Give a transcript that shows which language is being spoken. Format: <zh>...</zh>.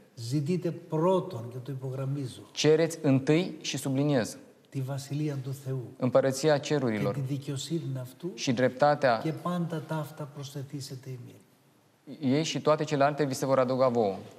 <el>Ζητείτε πρώτον και το υπογραμμίζω.</el> <ro>Cereți întâi și subliniez.</ro> <el>Τη βασιλεία του Θεού.</el> <ro>Împărăția cerurilor.</ro> <el>Και τη δικαιοσύνη αυτού.</el> <ro>Și dreptatea.</ro> <el>Και πάντα τα αυτά προσθεθήσετε ημί.</el> <ro>Ei și toate celelalte vi se vor adăuga vouă.</ro>